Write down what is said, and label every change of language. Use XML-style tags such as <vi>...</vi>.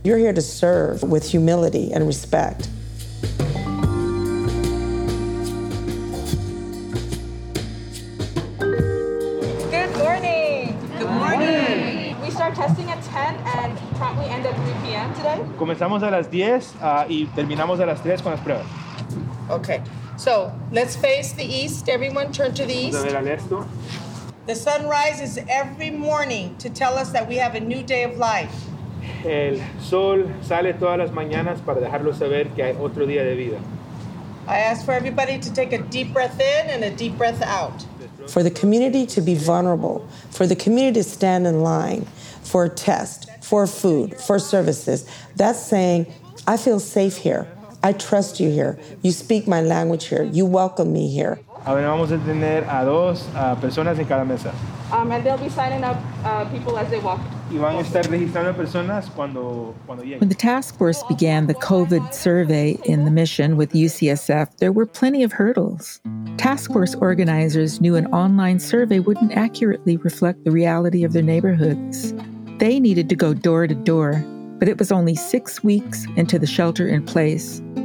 <en>You're here to serve with humility and respect. Good morning. Good morning. We start testing at 10 and probably end at 3 p.m. today.</en> <es>Comenzamos a las 10 y terminamos a las 3 con las pruebas.</es> <en>Okay, so let's face the east. Everyone turn to the east. The sun rises every morning to tell us that we have a new day of life.</en> <es>El sol sale todas las mañanas para dejarlos saber que hay otro día de vida.</es> <en>I ask for everybody to take a deep breath in and a deep breath out. For the community to be vulnerable, for the community to stand in line for a test, for food, for services, that's saying, I feel safe here. I trust you here. You speak my language here. You welcome me here.</en> <es>Ahora vamos a tener a dos personas en cada mesa.</es> <en>And they'll be signing up people as they walk.</en> <es>Y van a estar registrando personas cuando lleguen.</es> <en>When the task force began the COVID survey in the Mission with UCSF, there were plenty of hurdles. Task force organizers knew an online survey wouldn't accurately reflect the reality of their neighborhoods. They needed to go door to door, but it was only 6 weeks into the shelter in place.</en>